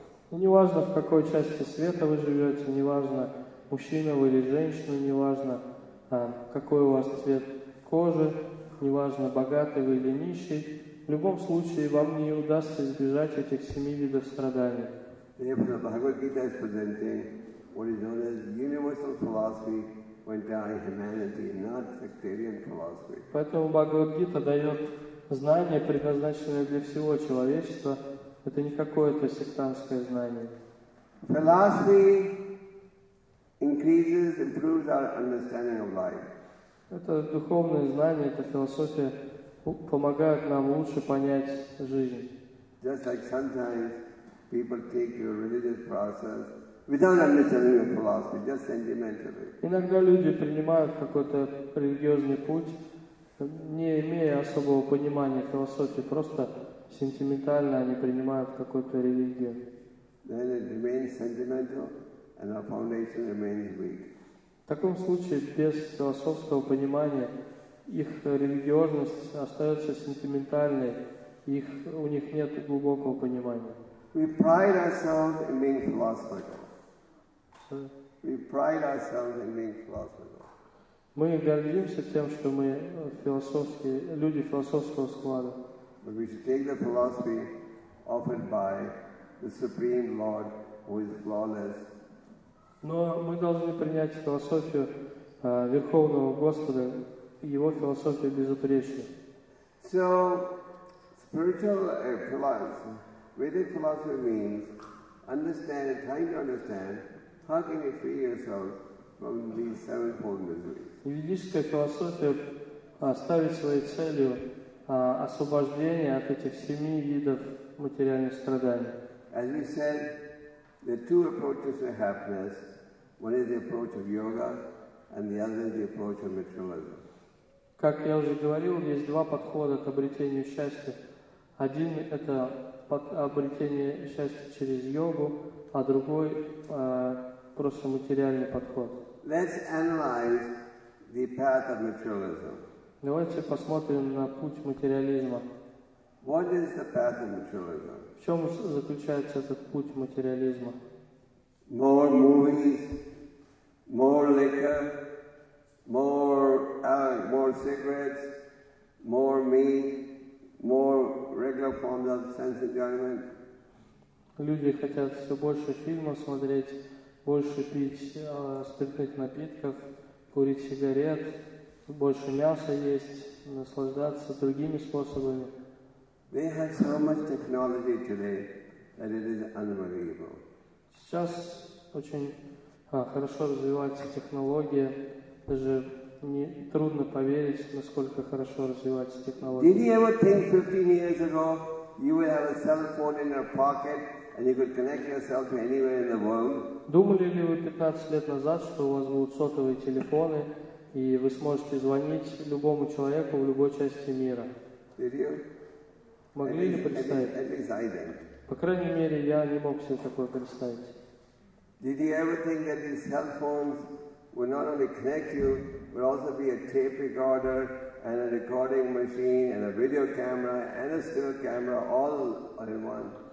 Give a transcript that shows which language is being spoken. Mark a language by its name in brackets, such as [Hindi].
[Russian] Неважно, в какой части света вы живете, неважно, мужчина вы или женщина, неважно, какой у вас цвет кожи, неважно, богатый вы или нищий, В любом случае, вам не удастся избежать этих семи видов страданий. [English] Therefore, the Bhagavad Gita is presenting what is known as universal philosophy of entire humanity, not sectarian philosophy. [Russian] Поэтому Бхагавад Гита дает знание, предназначенное для всего человечества. Это не какое-то сектантское знание. [English] Philosophy increases, improves our understanding of life. [Russian] Это духовное знание, это философия, помогает нам лучше понять жизнь. [English] Just like sometimes people take your religious process without understanding your philosophy, just sentimentally. [Russian] Иногда люди принимают какой-то религиозный путь, не имея особого понимания философии, просто сентиментально они принимают какую-то религию. [English] Then it remains sentimental, and our foundation remains weak. [Russian] В таком случае, без философского понимания, их религиозность остается сентиментальной, их, у них нет глубокого понимания. [English] We pride ourselves in being philosophical. We pride ourselves in being philosophical. [Russian] Мы гордимся тем, что мы философские, люди философского склада. [English] But we should take the philosophy offered by the Supreme Lord, who is flawless. [Russian] Но мы должны принять философию Верховного Господа, Его философию безупречную. [English] So, spiritual philosophy, Vedic philosophy means understand, trying to understand, how can you free yourself from these sevenfold miseries. [Russian] Ведическая философия ставит своей целью освобождение от этих семи видов материальных страданий. [English] As we said, there are two approaches to happiness. One is the approach of yoga, and the other is the approach of materialism. [Russian] Как я уже говорил, есть два подхода к обретению счастья. Один – это обретение счастья через йогу, а другой – просто материальный подход. [English] Let's analyze the path of materialism. [Russian] Давайте посмотрим на путь материализма. [English] What is the path of materialism? [Russian] В чем заключается этот путь материализма? [English] More movies, more liquor, more cigarettes, more meat, more regular forms of sense enjoyment. [Russian] Люди хотят все больше фильмов смотреть, больше пить спиртных напитков, курить сигарет, больше мяса есть, наслаждаться другими способами. [English] They have so much technology today that it is unbelievable. [Russian] Сейчас очень хорошо развивается технология. Даже не трудно поверить, насколько хорошо развивается технология. [English] Did you ever think 15 years ago you would have a cell phone in your pocket and you could connect yourself to anywhere in the world? [Russian] Думали ли вы 15 лет назад, что у вас будут сотовые телефоны и вы сможете звонить любому человеку в любой части мира? [English] Did you? [Russian] Могли ли представить? [English] At least I didn't. [Russian] По крайней мере, я не мог себе такое представить. [English] Did you ever think that these cell phones would not only connect you, would also be a tape recorder and a recording machine and a video camera and a still camera all in one?